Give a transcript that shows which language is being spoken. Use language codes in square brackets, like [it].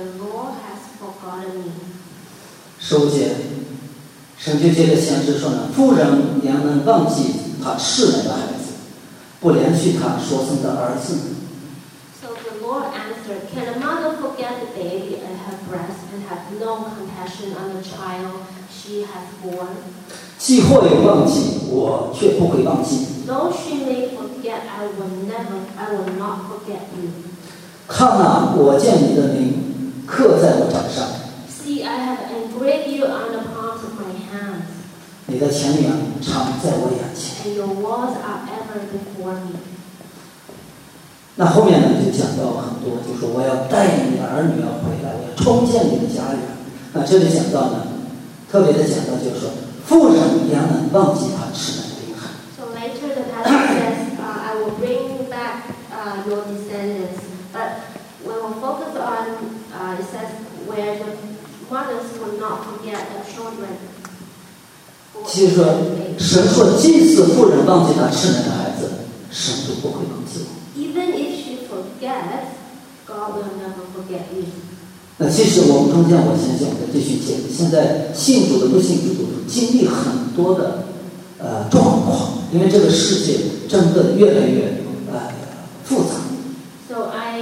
[en] Desires that God has forsaken me, the Lord has forgotten me. [zh] 十五节，神就接着先知说呢，妇人也能忘记她侍奶的孩子，不连续她所生的儿子。 [en] So the Lord answered, Can a mother forget the baby at her breast and have no compassion on the child she has born? [zh] 既或有忘记，我却不会忘记。 [en] Though she may forget, I will not forget you. [zh] 看哪、啊，我见你的名刻在我掌上。 [en] See, I have engraved you on the palms of my hands. [zh] 你的前脸常在我眼前。 [en] And your walls are ever before me. [zh] 那后面呢，就讲到很多，就是我要带你的儿女要回来，我要重建你的家园。那这里讲到呢，特别的讲到就是说，妇人也能忘记她吃奶的婴孩。 [en] So later the passage says, I will bring back your descendants. But when we focus on, it says where the mothers will not forget the children. [zh] 其实说，神说，即使妇人忘记她吃奶的孩子，神就不会忘记我。 [en] Even if she forgets, God will never forget you. [zh] 那其实我们中间，我相信我们的弟兄姐妹，现在信主的不信主的，经历很多的状况，因为这个世界真的越来越复杂。